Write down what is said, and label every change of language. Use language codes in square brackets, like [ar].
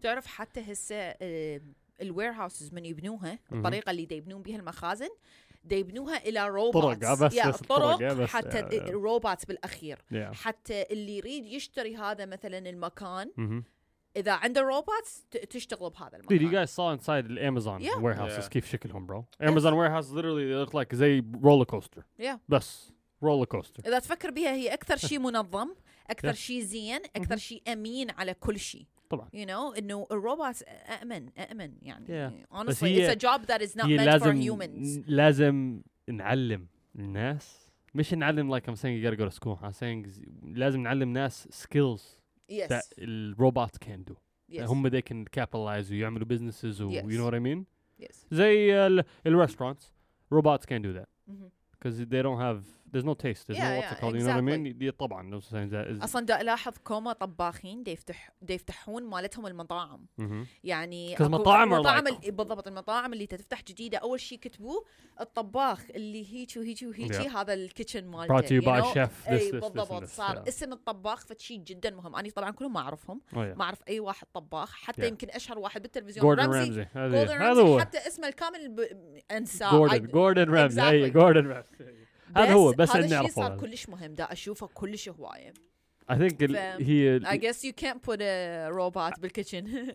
[ar] تعرف حتى هسه ال warehouses من يبنوها الطريقة اللي يبنون بها المخازن يبنوها إلى روبوتس طرق حتى الروبوتس بالأخير [en] yeah. [ar] حتى اللي يريد يشتري هذا مثلا المكان اذا عنده روبوتس تشتغل بهذا المكان. [en] Dude, you guys saw inside the Amazon warehouses. Yeah. كيف شكلهم bro. Amazon warehouse literally they look like [ar] زي [en] roller coaster. Yeah. [ar] بس [en] roller coaster. [ar] اذا تفكر بها هي اكثر شيء منظم، اكثر شيء زين، اكثر شيء امين على كل شيء. طبعا. [en] You know, [ar] انه الروبوتس امن، امن يعني. [en] Yeah. Honestly, it's a job that is not meant for humans. [ar] لازم نعلم الناس، مش نعلم [en] like I'm saying you gotta go to school. I'm saying [ar] لازم نعلم ناس skills. [en] Yes. That the robots can do. Yes. [ar] هم [en] they can capitalize and [ar] يعملوا [en] businesses [ar] و [en] yes. You know what I mean? Yes. زي ال restaurants, robots can do that. Because mm-hmm. they don't have, there's no taste, there's yeah, no what's it called, exactly. You know what I mean? [ar] طبعا. أصلاً دا ألاحظ كوما طباخين دا يفتحون مالتهم المطاعم. يعني. [en] Because [ar] مطاعم [en] are like. [ar] بالضبط المطاعم اللي تفتح جديدة أول شيء كتبوا الطباخ اللي هيجي هذا الكيتشن مالته. Brought to you by a chef. بالضبط صار اسم الطباخ فشيء جدا مهم. أنا طبعا كلهم ما أعرفهم. ما أعرف أي واحد طباخ حتى يمكن أشهر واحد بالتلفزيون. [en] Gordon Ramsay. [ar] حتى اسمه الكامل أنساه. Gordon Ramsay. أي Gordon Ramsay. هذا هو بس هذا الشيء صار كلش مهم دا أشوفه كلش هواية. [en] I think he. I guess you can't put a robot in the kitchen.